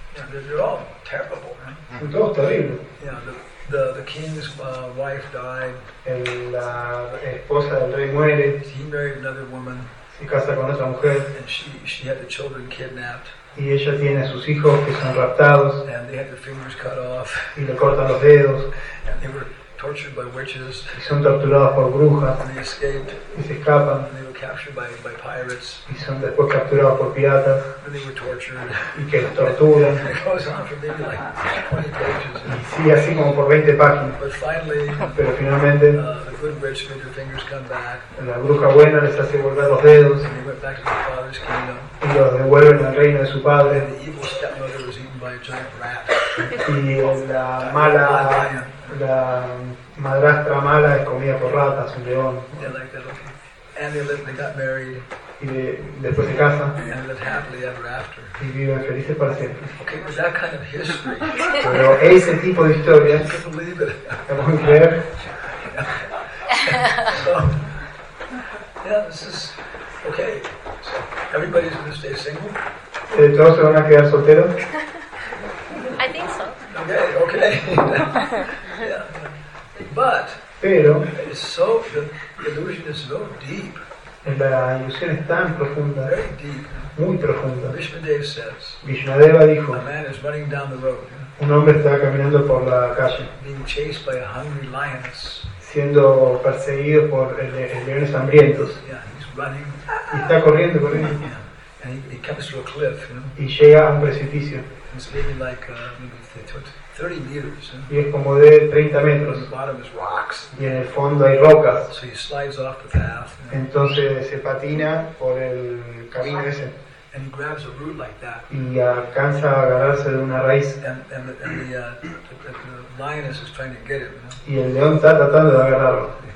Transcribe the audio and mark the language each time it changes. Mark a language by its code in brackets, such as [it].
[en] They're all terrible, right? [es] Todos terribles. [en] Yeah, the king's wife died. [es] La esposa del rey muere. [en] He married another woman. [es] Se casa con otra mujer. [en] And she had the children kidnapped. [es] Y ella tiene a sus hijos que son raptados. [en] And they had their fingers cut off. [es] Y le cortan los dedos. [en] And they were tortured by witches. [es] Y son torturados por brujas. [en] And they escaped. [es] Y se escapan. [en] And they were captured by pirates. [es] Y son después capturados por piratas. [en] And they were tortured. [es] Y que los torturan. [en] It goes on for maybe like 20 pages. [es] Y sigue así como por 20 páginas. [en] But finally, [es] pero finalmente, [en] the good witch made their fingers come back. [es] La bruja buena les hace volver los dedos. [en] And they went back to their father's kingdom. [es] Y los devuelven al reino de su padre. [en] And the evil stepmother was eaten by a giant rat. [es] Y la mala, la madrastra mala es comida por ratas, un león. [en] And they got married. [es] Y después se casa. [en] And lived happily ever after. [es] Y viven felices para siempre. [en] Okay, but that kind of history. [es] Pero ese tipo de historia. [en] I can't believe it. [es] ¿Cómo creer? [en] So, yeah, this is okay. So, everybody's going to stay single. [es] ¿Todos se van a quedar solteros? [en] I think so. Okay, okay. Yeah, but. [es] Pero [en] it's so the illusion is so deep. [es] La ilusión es tan profunda. [en] Very deep. [es] Muy profunda. [en] Vishnudeva says. [es] Vishnudeva dijo. [en] A man is running down the road. Yeah? [es] Un hombre está caminando por la calle. [en] Being chased by a hungry lioness. [es] Siendo perseguido por leones hambrientos. [en] Yeah, he's running. [es] Y está corriendo, corriendo. [en] Yeah. And he comes to a cliff. You know? [es] Y llega a un precipicio. [en] It's maybe like maybe 30 meters. [es] Y es como de 30 metros. [en] The bottom is rocks. [es] Y en el fondo hay rocas. [en] So he slides off the path. [es] Entonces se patina por el camino ese. [en] And he grabs a root like that. [es] Y alcanza a agarrarse de una raíz. [en] And the lioness is trying to get him. [es] Y el león está tratando de agarrarlo.